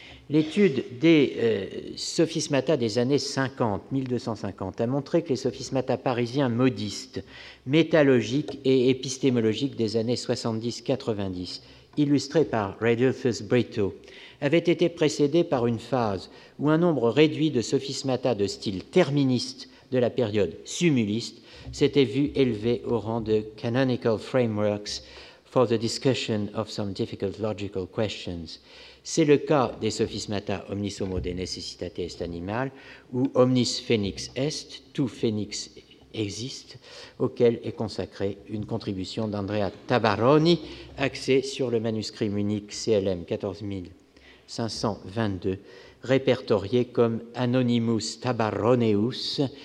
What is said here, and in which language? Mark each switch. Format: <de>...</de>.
<fr>L'étude des sophismata des années 1250 a montré que les sophismata parisiens modistes, métalogiques et épistémologiques des années 70-90, illustrés par Radulfus Brito, avaient été précédés par une phase où un nombre réduit de sophismata de style terministe de la période sumuliste s'était vu élevé au rang de</fr> <en>canonical frameworks for the discussion of some difficult logical questions.</en> <fr>C'est le cas des sophismata</fr> <la>omnis homo de necessitate est animal</la> <fr>ou</fr> <la>omnis phénix est,</la> <fr>tout phénix existe, auquel est consacrée une contribution d'Andrea Tabaroni axée sur le manuscrit Munich CLM 14522, répertorié comme Anonymus Tabaroneus</fr>